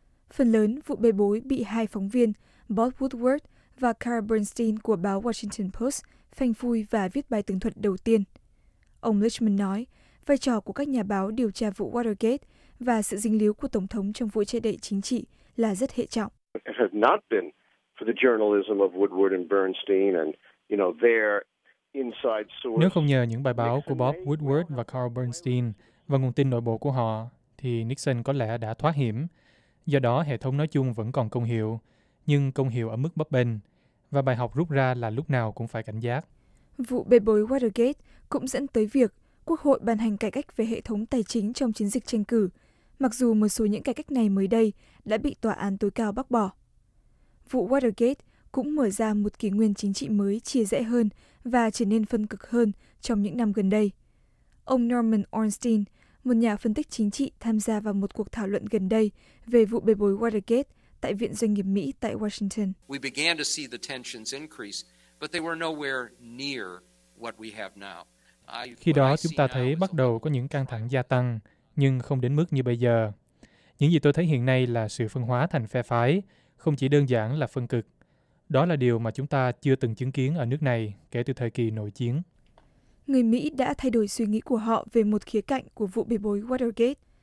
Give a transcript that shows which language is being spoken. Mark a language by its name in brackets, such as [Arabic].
[Vietnamese] Phần lớn vụ bê bối bị hai phóng viên Bob Woodward và Cara Bernstein của báo Washington Post phanh phui và viết bài tường thuật đầu tiên. Ông Lichtman nói, vai trò của các nhà báo điều tra vụ Watergate và sự dính líu của Tổng thống trong vụ che đậy chính trị là rất hệ trọng. [English] It has not been for the journalism of Woodward and Bernstein and, you know, their inside source. [Vietnamese] Nếu không nhờ những bài báo của Bob Woodward và Carl Bernstein và nguồn tin nội bộ của họ, thì Nixon có lẽ đã thoát hiểm. Do đó, hệ thống nói chung vẫn còn công hiệu, nhưng công hiệu ở mức bấp bênh. Và bài học rút ra là lúc nào cũng phải cảnh giác. Vụ bê bối Watergate cũng dẫn tới việc Quốc hội ban hành cải cách về hệ thống tài chính trong chiến dịch tranh cử, mặc dù một số những cải cách này mới đây đã bị Tòa án tối cao bác bỏ. Vụ Watergate cũng mở ra một kỷ nguyên chính trị mới chia rẽ hơn và trở nên phân cực hơn trong những năm gần đây. Ông Norman Ornstein, một nhà phân tích chính trị tham gia vào một cuộc thảo luận gần đây về vụ bê bối Watergate tại Viện Doanh nghiệp Mỹ tại Washington. [English] We began to see the tensions increase, but they were nowhere near what we have now. [Vietnamese] Khi đó chúng ta thấy bắt đầu có những căng thẳng gia tăng, nhưng không đến mức như bây giờ. Những gì tôi thấy hiện nay là sự phân hóa thành phe phái, không chỉ đơn giản là phân cực. Đó là điều mà chúng ta chưa từng chứng kiến ở nước này kể từ thời kỳ nội chiến. Người Mỹ đã thay đổi suy nghĩ của họ về một khía cạnh của vụ bê bối Watergate.